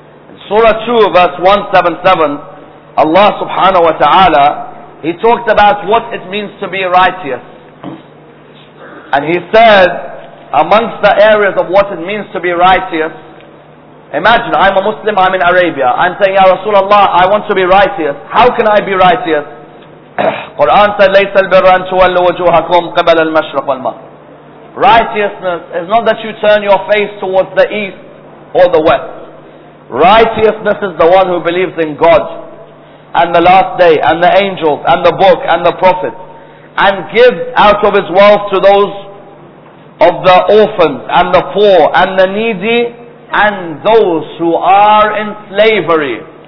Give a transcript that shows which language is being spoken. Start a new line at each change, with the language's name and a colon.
English: In Surah 2, verse 177, Allah subhanahu wa ta'ala, he talked about what it means to be righteous. And he said, amongst the areas of what it means to be righteous, imagine, I'm a Muslim, I'm in Arabia. I'm saying, Ya Rasulullah, I want to be righteous. How can I be righteous? Quran said,
Arabic: لَيْسَ الْبِرَّ أَن تُوَلُّ وَجُوهَكُمْ قِبَلَ الْمَشْرَقِ وَالْمَغْرِبِ.
English: Righteousness is not that you turn your face towards the east or the west. Righteousness is the one who believes in God and the last day and the angels and the book and the prophets, and gives out of his wealth to those of the orphans and the poor and the needy and those who are in slavery.